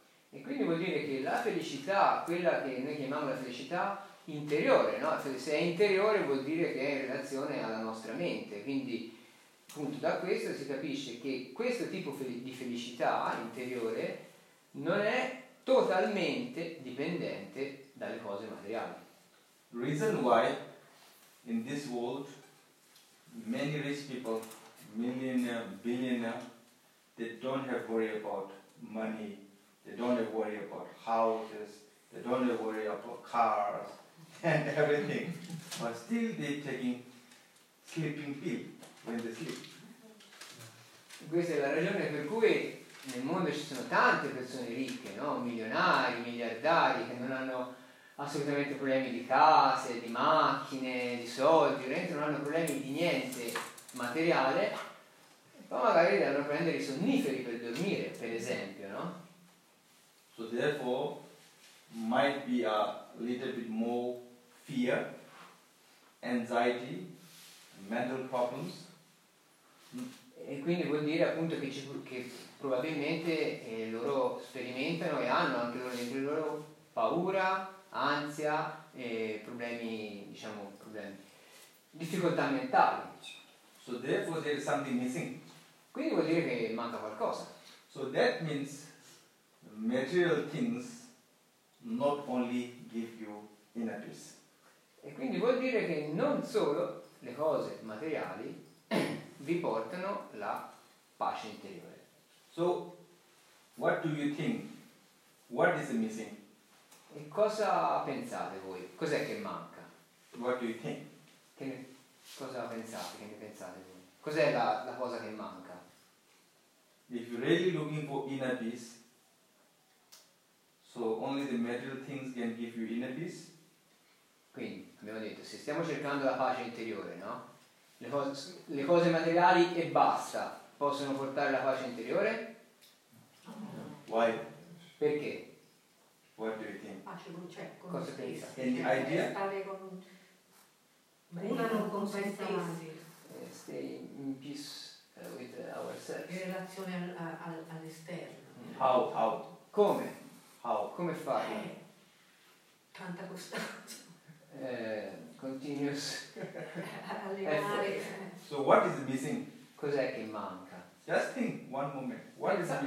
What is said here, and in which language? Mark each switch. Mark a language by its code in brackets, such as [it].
[it] E quindi vuol dire che la felicità, quella che noi chiamiamo la felicità interiore, no? Se è interiore vuol dire che è in relazione alla nostra mente. Quindi, appunto, da questo si capisce che questo tipo di felicità interiore non è totalmente dipendente dalle cose materiali. [en] Reason why in this world many rich people, millionaire, billionaire, they don't have worry about money, they don't have worry about houses, they don't have worry about cars and everything, but still they taking sleeping pill when they sleep. [it] Questa è la ragione per cui nel mondo ci sono tante persone ricche, no? Milionari, miliardari, che non hanno assolutamente problemi di case, di macchine, di soldi, ovviamente non hanno problemi di niente materiale, ma magari devono prendere i sonniferi per dormire, per esempio, no? [en] So therefore might be a little bit more fear, anxiety, mental problems. [it] E quindi vuol dire appunto che probabilmente loro sperimentano e hanno anche loro dentro loro paura, ansia e problemi, diciamo, problemi, difficoltà mentali. [en] So therefore there is something missing. [it] Quindi vuol dire che manca qualcosa. [en] So that means material things not only give you inner peace. [it] E quindi vuol dire che non solo le cose materiali vi portano la pace interiore. [en] So what do you think? What is missing? [it] E cosa pensate voi? Cos'è che manca? [en] What do you think? [it] Che ne pensate voi? Cos'è la cosa che manca? [en] If you're really looking for inner peace, so only the material things can give you inner peace. [it] Quindi, abbiamo detto, se stiamo cercando la pace interiore, no? Le cose materiali e basta possono portare la pace interiore? [en] Why? [it] Perché? [en] What do you think? [it] Pace non c'è. Cosa pensa? [en] Any idea? [it] Stare con se stessi. [en] Stay in peace with ourselves. [it] In relazione all'esterno. [en] How? [it] Come? [en] How? [it] Come fare? Tanta costanza. [en] Continuous. [it] Allenare. [en] So what is missing? [it] Cos'è che manca? [en] Just think one moment. What is missing?